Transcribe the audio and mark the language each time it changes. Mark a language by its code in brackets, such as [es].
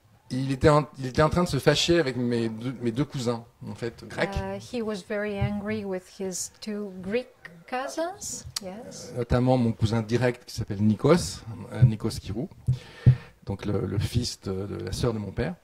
[fr] Il était en train de se fâcher avec mes deux cousins, en fait, grecs. [en] He was very angry with his two Greek cousins, yes. [fr] Notamment mon cousin direct qui s'appelle Nikos Kirou, donc le fils de la sœur de mon père.